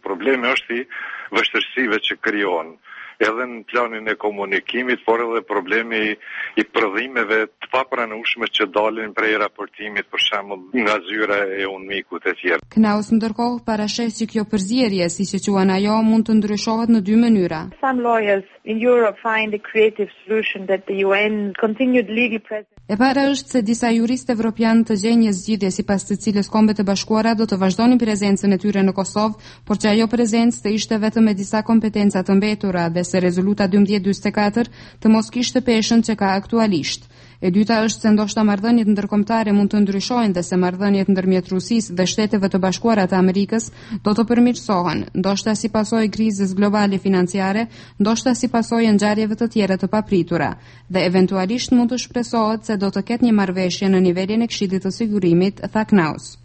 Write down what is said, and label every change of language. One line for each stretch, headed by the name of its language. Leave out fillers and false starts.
Albanian: Problemi është i vështërsive që krijon, edhe në planin e komunikimit, por edhe problemi i prodhimeve të papranueshme që dalin prej raportimit, për shembull nga zyra e UNMIK-ut e tjerë. Knaus ndërkohë parashes që kjo përzierje, siç e quan ajo, mund të ndryshohet në dy mënyra.
English: Some lawyers in Europe find a creative solution that the UN continued legal presence.
Albanian: E para është se disa juristë evropianë të gjejnë një zgjidhje sipas të cilës Kombet e Bashkuara do të vazhdonin prezencën e tyre në Kosovë, por që ajo prezencë të ishte vetëm me disa kompetenca të mbetura dhe se rezoluta 1244 të mos kishte peshën që ka aktualisht. E dyta është se ndoshta marrëdhëniet ndërkombëtare mund të ndryshojnë dhe se marrëdhëniet ndërmjet Rusisë dhe Shteteve të Bashkuara të Amerikës do të përmirësohen, ndoshta si pasojë krizës globale financiare, ndoshta si pasojë ngjarjeve të tjera të papritura, dhe eventualisht mund të shpresohet se do të ketë një marrëveshje në nivelin e Këshillit të Sigurimit, tha Knaus.